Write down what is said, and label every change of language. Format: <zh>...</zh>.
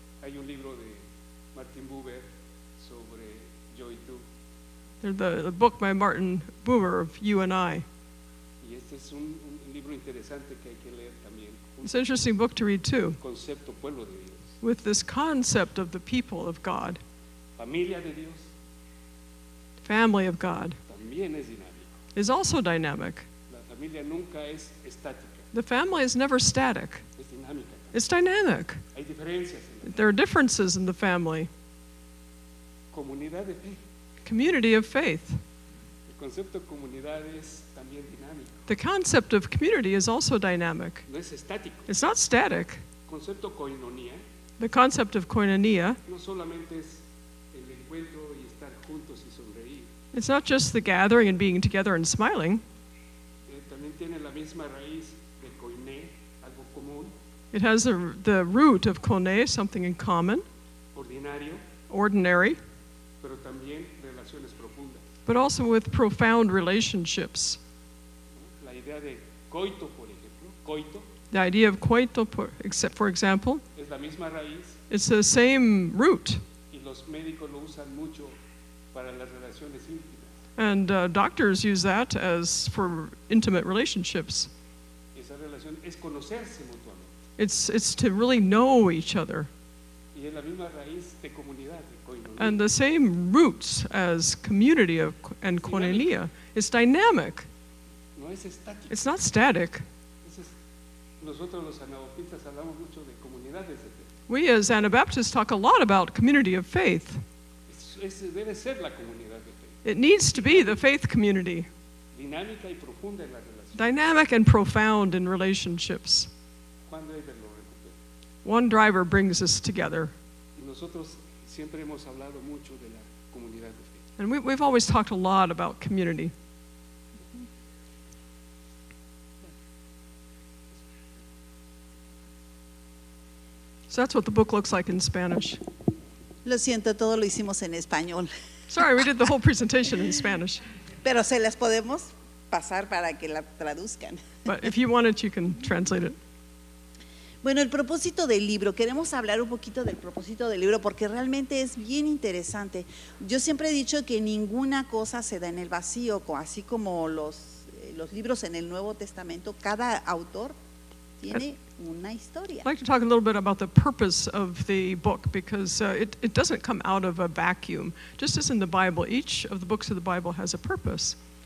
<es>Hay un libro de Martin Buber sobre yo y tú.</es> <en>There's the book by Martin Buber of You and I.</en> <es>Y este es un libro interesante que hay que leer también.</es> <en>It's an interesting book to read too.</en> <es>Concepto pueblo de Dios.</es> <en>With this concept of the people of God.</en> <es>Familia de Dios.</es> <en>Family of God.</en> <es>También es dinámico.</es> <en>Is also dynamic.</en> <es>La familia nunca es estática.</es> <en>The family is never static.</en> <es>Es dinámica.</es> <en>It's dynamic.</en> <es>Hay diferencias en la familia.</es> <en>There are differences in the family.</en> <es>Comunidad de fe.</es> <en>Community of faith.</en> <es>El concepto de comunidad es también dinámico.</es> <en>The concept of community is also dynamic.</en> <es>No es estático.</es> <en>It's not static.</en> <es>Concepto koinonia.</es> <en>The concept of koinonia.</en> <es>No solamente es el encuentro y estar juntos y sonreír.</es> <en>It's not just the gathering and being together and smiling.</en> <es>También tiene la misma raíz de koiné, algo común.</es> <en>It has the root of koiné, something in common.</en> <es>Ordinario.</es> <en>Ordinary.</en> <es>Pero también relaciones profundas.</es> <en>But also with profound relationships.</en> <es>La idea de coito, por ejemplo. Coito.</es> <en>The idea of coito, for example,</en> <es>es la misma raíz.</es> <en>It's the same root.</en> <es>Y los médicos lo usan mucho para las relaciones íntimas.</es> <en>And doctors use that as for intimate relationships.</en> <es>Esa relación es conocerse mutuamente.</es> <en>It's to really know each other.</en> <es>Y es la misma raíz de comunidad, de koinonia.</es> <en>And the same roots as community of, and koinonia. It's dynamic.</en> <es>No es estático.</es> <en>It's not static.</en> <es>Nosotros los anabautistas hablamos mucho de comunidades de fe.</es> <en>We as Anabaptists talk a lot about community of faith.</en> <es>Debe ser la comunidad de fe.</es> <en>It needs to be the faith community.</en> <es>Dinámica y profunda en la relación.</es> <en>Dynamic and profound in relationships.</en> <es>Cuando hay verlo,</es> <en>one driver brings us together.</en> <es>Y nosotros siempre hemos hablado mucho de la comunidad de fe.</es> <en>And we've always talked a lot about community. So that's what the book looks like in Spanish.</en> <es>Lo siento, todo lo hicimos en español.</es> <en>Sorry, we did the whole presentation in Spanish.</en> <es>Pero se las podemos pasar para que la traduzcan.</es> <en>But if you want it, you can translate it.</en> <es>Bueno, el propósito del libro, queremos hablar un poquito del propósito del libro porque realmente es bien interesante. Yo siempre he dicho que ninguna cosa se da en el vacío, así como los libros en el Nuevo Testamento, cada autor tiene una historia.</es> <en>I'd like to talk a little bit about the purpose of the book because it doesn't come out of a vacuum. Just as in the Bible, each of the books of the Bible has a purpose.</en>